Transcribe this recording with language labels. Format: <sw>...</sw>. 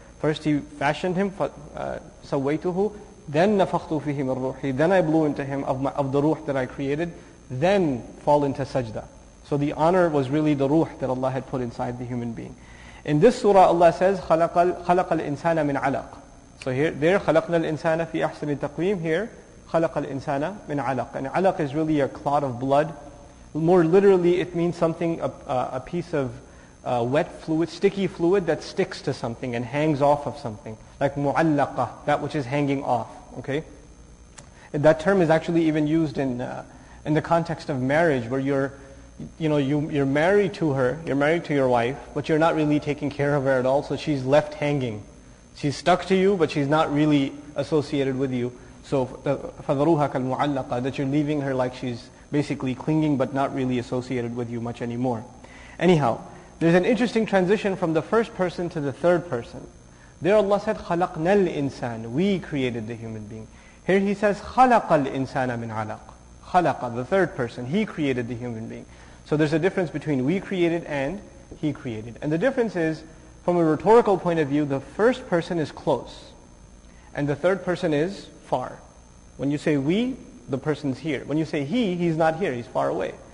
<en>First He fashioned him,</en> <ar>سَوَّيْتُهُ,</ar> <en>then</en> <ar>نَفَخْتُ فِيهِ مَنْ رُوحِ,</ar> <en>then I blew into him of the ruh that I created, then fall into sajda. So the honor was really the ruh that Allah had put inside the human being. In this surah Allah says,</en> <ar>خَلَقَ الْإِنسَانَ مِنْ عَلَقٍ.</ar> <en>So there,</en> <ar>خَلَقْنَا الْإِنسَانَ فِي أَحْسَنِ تَقْوِيمٍ.</ar> <en>Here,</en> <ar>خَلَقَ الْإِنسَانَ مِنْ عَلَقٍ.</ar> <en>And alaq is really a clot of blood. More literally, it means something, a piece of wet fluid, sticky fluid that sticks to something and hangs off of something. Like مُعَلَّقَ, that which is hanging off. Okay, and that term is actually even used in the context of marriage, where you're married to her, you're married to your wife, but you're not really taking care of her at all, so she's left hanging. She's stuck to you, but she's not really associated with you. So,</en> <ar>فَذَرُوهَا كَالْمُعَلَّقَ,</ar> <en>that you're leaving her like she's basically clinging but not really associated with you much anymore. Anyhow, there's an interesting transition from the first person to the third person. There Allah said,</en> <ar>خَلَقْنَا الْإِنسَانَ,</ar> <en>we created the human being. Here He says,</en> <ar>خَلَقَ الْإِنسَانَ مِنْ عَلَقٍ.</ar> <en>خَلَقَ, the third person, He created the human being. So there's a difference between we created and He created. And the difference is, from a rhetorical point of view, the first person is close and the third person is far. When you say we, the person's here. When you say he's not here, he's far away.</en>